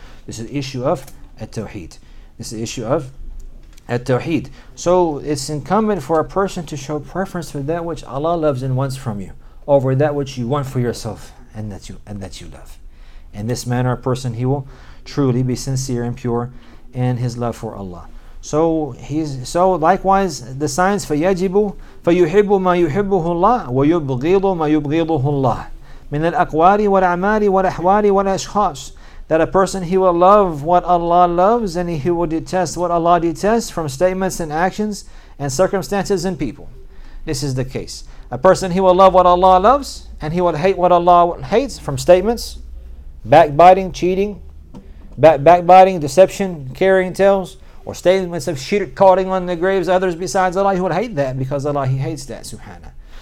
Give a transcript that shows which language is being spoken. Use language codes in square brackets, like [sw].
[en] This is the issue of at-tawheed. This is the issue of at-tawheed. So it's incumbent for a person to show preference for that which Allah loves and wants from you over that which you want for yourself and that you love. In this manner, a person, he will truly be sincere and pure in his love for Allah. So likewise, the signs, [ar] فَيَجِبُ فَيُحِبُّ مَا يُحِبُّهُ اللَّهُ وَيُبْغِضُ مَا يُبْغِضُهُ اللَّهُ مِنَ الْأَقْوَالِ وَالْأَعْمَالِ وَالْأَحْوَالِ وَالْأَشْخَاصِ. [en] That a person, he will love what Allah loves and he will detest what Allah detests from statements and actions and circumstances and people. This is the case. A person, he will love what Allah loves and he will hate what Allah hates from statements, backbiting, cheating, backbiting, deception, carrying tales, or statements of shirk, calling on the graves others besides Allah. He will hate that because Allah, he hates that, subhanah.